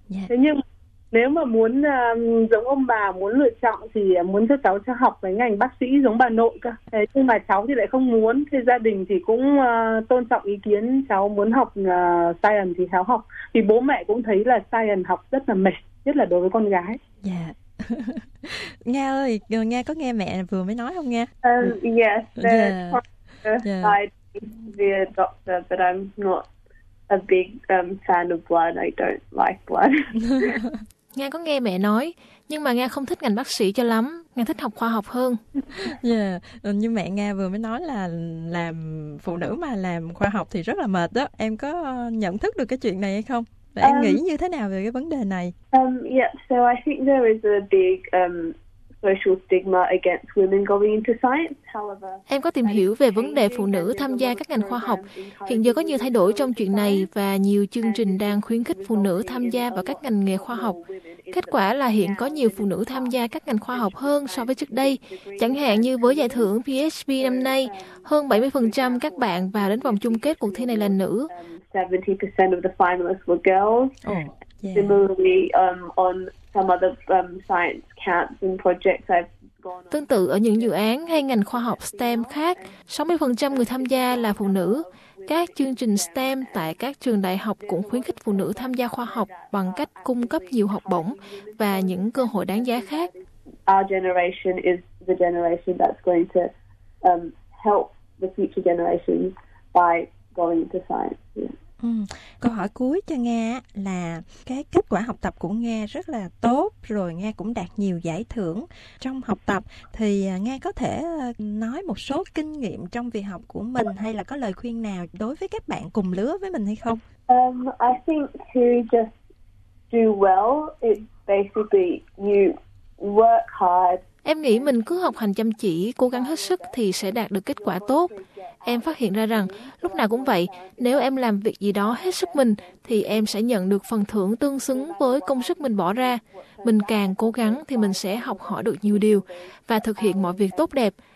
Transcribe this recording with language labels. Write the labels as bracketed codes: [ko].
[vi] Thế nhưng nếu mà muốn giống ông bà, muốn lựa chọn thì muốn cho cháu học cái ngành bác sĩ giống bà nội cơ. Thế nhưng mà cháu thì lại không muốn, thì gia đình thì cũng tôn trọng ý kiến cháu muốn học science thì cháu học. Thì bố mẹ cũng thấy là science học rất là mệt, nhất là đối với con gái. Nga ơi, Nga có nghe mẹ vừa mới nói không Nga? [en] Yes, I'm not a big fan of blood, I don't like blood. [vi] Nga có nghe mẹ nói, nhưng mà Nga không thích ngành bác sĩ cho lắm, Nga thích học khoa học hơn. Yeah. Như mẹ Nga vừa mới nói là làm phụ nữ mà làm khoa học thì rất là mệt đó. Em có nhận thức được cái chuyện này hay không? Và em nghĩ như thế nào về cái vấn đề này? [en] So I think there is a big social stigma against women going into science. [vi] Em có tìm hiểu về vấn đề phụ nữ tham gia các ngành khoa học. Hiện giờ có nhiều thay đổi trong chuyện này và nhiều chương trình đang khuyến khích phụ nữ tham gia vào các ngành nghề khoa học. Kết quả là hiện có nhiều phụ nữ tham gia các ngành khoa học hơn so với trước đây. Chẳng hạn như với giải thưởng PhD năm nay, hơn 70% các bạn vào đến vòng chung kết cuộc thi này là nữ. [en] 70% of the finalists were girls. Similarly, on some other science camps and projects I've gone on. [vi] Tương tự ở những dự án hay ngành khoa học STEM khác, 60% người tham gia là phụ nữ. Các chương trình STEM tại các trường đại học cũng khuyến khích phụ nữ tham gia khoa học bằng cách cung cấp nhiều học bổng và những cơ hội đáng giá khác. [en] Our generation is the generation that's going to help the future generations by going into science. [vi] Câu hỏi cuối cho Nga là cái kết quả học tập của Nga rất là tốt, rồi Nga cũng đạt nhiều giải thưởng trong học tập. Thì Nga có thể nói một số kinh nghiệm trong việc học của mình hay là có lời khuyên nào đối với các bạn cùng lứa với mình hay không? [en] I think to just do well, it's basically you work hard. [vi] Em nghĩ mình cứ học hành chăm chỉ, cố gắng hết sức thì sẽ đạt được kết quả tốt. Em phát hiện ra rằng, lúc nào cũng vậy, nếu em làm việc gì đó hết sức mình, thì em sẽ nhận được phần thưởng tương xứng với công sức mình bỏ ra. Mình càng cố gắng thì mình sẽ học hỏi được nhiều điều và thực hiện mọi việc tốt đẹp.